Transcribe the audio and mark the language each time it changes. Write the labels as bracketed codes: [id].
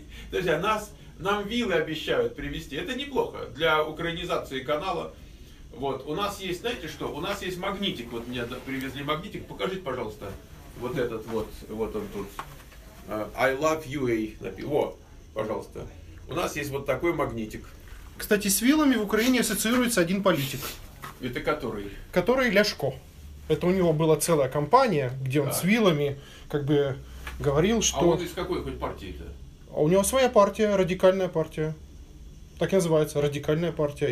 [ru] Друзья, нам вилы обещают привезти. Это неплохо для украинизации канала. Вот, у нас есть, знаете что, у нас есть магнитик. Вот мне привезли магнитик. Покажите, пожалуйста, вот этот вот. Вот он тут. [en] I love you, вот. [ru] Пожалуйста. У нас есть вот такой магнитик. Кстати, с вилами в Украине ассоциируется один политик. Это который? Который Ляшко. Это у него была целая кампания, где он с вилами как бы говорил, что... А он из какой хоть партии-то? А у него своя партия, радикальная партия. Так и называется, радикальная партия.